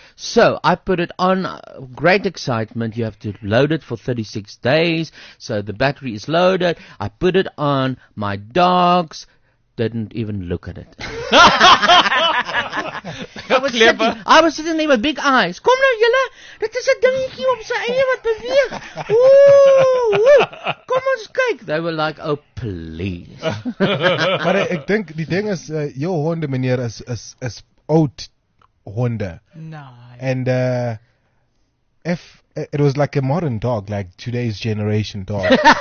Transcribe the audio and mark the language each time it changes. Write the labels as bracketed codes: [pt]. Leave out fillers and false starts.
[en] So I put it on, great excitement. You have to load it for 36 days. So the battery is loaded. I put it on, my dogs didn't even look at it. I was sitting there with big eyes. [af] Kom nou julle, dit is 'n dingetjie op sy eie wat beweeg. Ooh, kom ons kyk. [en] They were like, oh please. [af] Maar ek dink die ding is, jou honde meneer is oud honde. [en] Nice. And if it was like a modern dog, like today's generation dog.